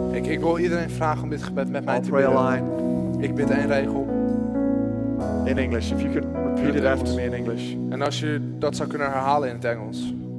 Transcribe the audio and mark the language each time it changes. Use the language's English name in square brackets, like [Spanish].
[Dutch] Ik wil iedereen vragen om dit gebed met mij te [English] pray [Dutch] bidden. [English] A line. [Dutch] Ik bid één regel. [English] In English, if you could repeat it after me in English. [Dutch] En als je dat zou kunnen herhalen in het Engels.